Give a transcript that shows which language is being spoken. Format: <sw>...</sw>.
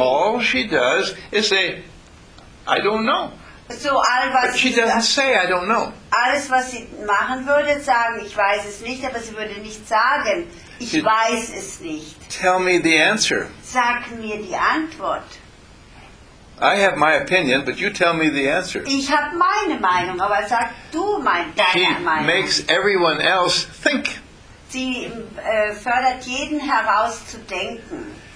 <en>All she does is say, I don't know. So all was but she doesn't say, I don't know.</en> <de>Alles, was sie machen würde, sagen, ich weiß es nicht, aber sie würde nicht sagen, ich weiß es nicht.</de> <en>Tell me the answer.</en> <de>Sag mir die Antwort.</de> <en>I have my opinion, but you tell me the answer.</en> <de>Ich habe meine Meinung, aber sag du deine</de> <en>she</en> <de>Meinung.</de> <en>She makes everyone else think.</en> <de>Sie fördert jeden heraus zu denken.</de>